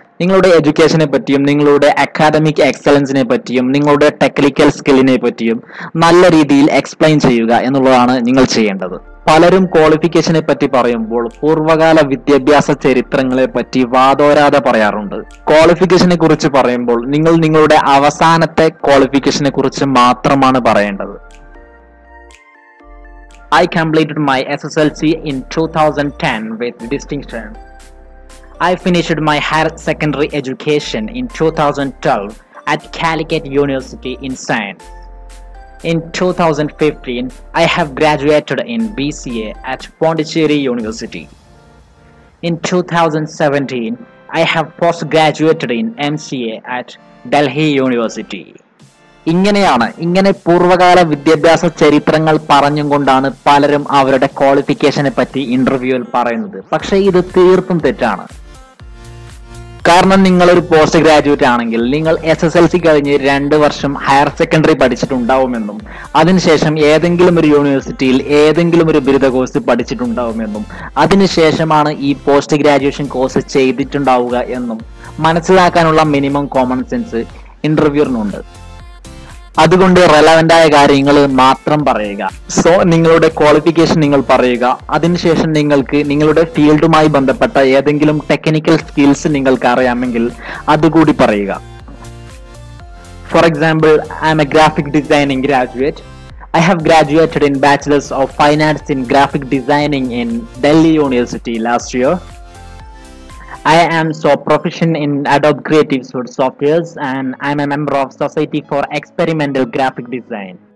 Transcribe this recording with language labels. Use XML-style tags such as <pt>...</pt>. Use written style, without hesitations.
<ml>നിങ്ങളുടെ എഡ്യൂക്കേഷനെ പറ്റിയും നിങ്ങളുടെ അക്കാദമിക് എക്സലൻസിനെ പറ്റിയും നിങ്ങളുടെ ടെക്നിക്കൽ സ്കില്ലിനെ പറ്റിയും നല്ല രീതിയിൽ എക്സ്പ്ലെയിൻ ചെയ്യുക എന്നുള്ളതാണ് നിങ്ങൾ ചെയ്യേണ്ടത്. പലരും ക്വാളിഫിക്കേഷനെ പറ്റി പറയുമ്പോൾ പൂർവ്വകാല വിദ്യാഭ്യാസ ചരിത്രങ്ങളെ പറ്റി വാദോരാതെ പറയാറുണ്ട്. ക്വാളിഫിക്കേഷനെ കുറിച്ച് പറയുമ്പോൾ നിങ്ങൾ നിങ്ങളുടെ അവസാനത്തെ ക്വാളിഫിക്കേഷനെ കുറിച്ച് മാത്രമാണ് പറയേണ്ടത്.</ml> <en>I completed my SSLC in 2010 with distinction. I finished my higher secondary education in 2012 at Calicut University in Science. In 2015, I have graduated in BCA at Pondicherry University. In 2017, I have postgraduated in MCA at Delhi University.</en> <ml>ഇങ്ങനെയാണ് ഇങ്ങനെ പൂർവ്വകാല വിദ്യാഭ്യാസ ചരിത്രങ്ങൾ പറഞ്ഞും കൊണ്ടാണ് പലരും അവരുടെ ക്വാളിഫിക്കേഷനെ പറ്റി ഇന്റർവ്യൂവിൽ പറയുന്നത്. പക്ഷേ ഇത് തീർത്തും തെറ്റാണ്. കാരണം നിങ്ങളൊരു പോസ്റ്റ് ഗ്രാജുവേറ്റ് ആണെങ്കിൽ നിങ്ങൾ SSLC കഴിഞ്ഞ് 2 വർഷം ഹയർ സെക്കൻഡറി പഠിച്ചിട്ടുണ്ടാവുമെന്നും അതിനുശേഷം ഏതെങ്കിലും ഒരു യൂണിവേഴ്സിറ്റിയിൽ ഏതെങ്കിലും ഒരു ബിരുദ കോഴ്സ് പഠിച്ചിട്ടുണ്ടാവുമെന്നും അതിനുശേഷമാണ് ഈ പോസ്റ്റ് ഗ്രാജുവേഷൻ കോഴ്സ് ചെയ്തിട്ടുണ്ടാവുക എന്നും മനസ്സിലാക്കാനുള്ള മിനിമം കോമൺ സെൻസ് ഇന്റർവ്യൂവിനുണ്ട്. അതുകൊണ്ട് റെലവെന്റ് ആയ കാര്യങ്ങൾ മാത്രം പറയുക. സോ നിങ്ങളുടെ ക്വാളിഫിക്കേഷൻ നിങ്ങൾ പറയുക. അതിനുശേഷം നിങ്ങൾക്ക് നിങ്ങളുടെ ഫീൽഡുമായി ബന്ധപ്പെട്ട ഏതെങ്കിലും ടെക്നിക്കൽ സ്കിൽസ് നിങ്ങൾക്ക് അറിയാമെങ്കിൽ അതുകൂടി പറയുക.</ml> <en>For example, I am a graphic designing graduate. I have graduated in bachelors of fine arts in graphic designing in Delhi University last year. I am so proficient in Adobe Creative Suite softwares and I am a member of Society for Experimental Graphic Design.</en>